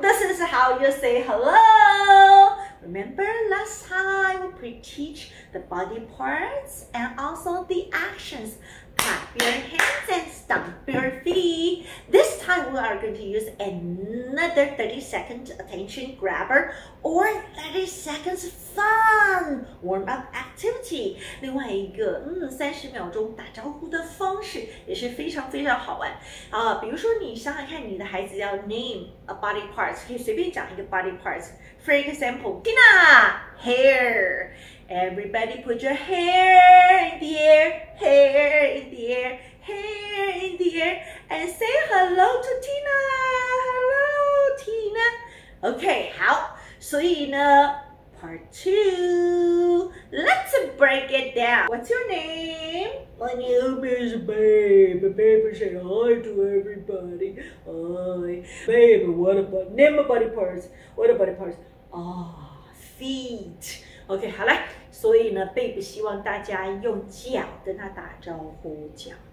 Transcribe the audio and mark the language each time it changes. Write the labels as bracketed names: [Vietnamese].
[English] This is how you say hello. Remember last time we pre-teach the body parts and also the actions. Clap your hands and stomp your feet. This time we are going to use another 30 second attention grabber or 30 seconds fun warm up activity. [Chinese] 另外一个30秒钟打招呼的方式也是非常非常好玩啊。比如说你想想看，你的孩子要 [English] name a body part， [Chinese] 可以随便讲一个 body part。 [English] For example, Tina, hair. Everybody put your hair in the air, hair in the air, hair in the air, and say hello to Tina. Hello, Tina. Okay, [Chinese] 好，所以呢 [English] part two, let's break it down. What's your name? My name is Babe. Babe, say hi to everybody. Hi. Babe, what about, name a body parts. What about the parts? Feet. OK, [Chinese] 好嘞。所以呢 ，Babe 希望大家用脚跟他打招呼，脚。